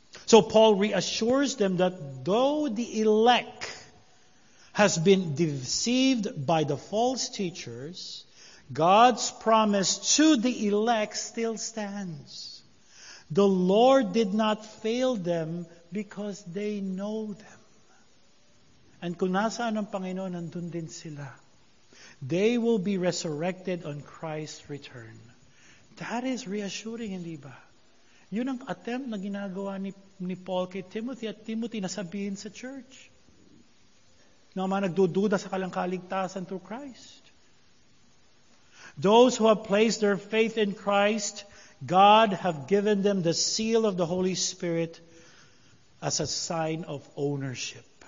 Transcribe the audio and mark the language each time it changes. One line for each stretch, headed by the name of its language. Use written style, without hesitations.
English: So Paul reassures them that though the elect has been deceived by the false teachers, God's promise to the elect still stands. The Lord did not fail them because they know them.
Filipino: And kung nasaan ang Panginoon, nandun din sila.
English: They will be resurrected on Christ's return. That is reassuring,
Filipino: hindi ba? Yun ang attempt na ginagawa ni Paul kay Timothy at Timothy na sabihin sa church. Na mga nagdududa sa kanilang kaligtasan
English: through Christ. Those who have placed their faith in Christ, God have given them the seal of the Holy Spirit as a sign of ownership.